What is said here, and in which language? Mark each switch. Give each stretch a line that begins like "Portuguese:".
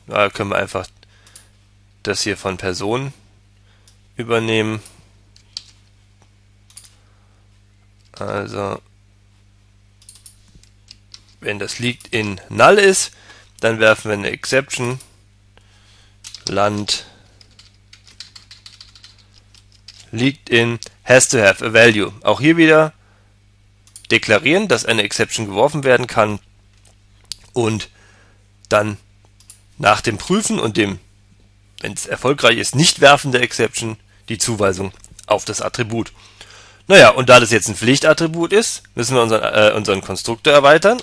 German: Da können wir einfach das hier von Personen übernehmen. Also, wenn das liegt in null ist, dann werfen wir eine Exception.
English: Land liegt in has to have a value.
German: Auch hier wieder deklarieren, dass eine Exception geworfen werden kann. Und dann nach dem Prüfen und dem, wenn es erfolgreich ist, nicht werfen der Exception, die Zuweisung auf das Attribut. Naja, und da das jetzt ein Pflichtattribut ist, müssen wir unseren Konstruktor erweitern.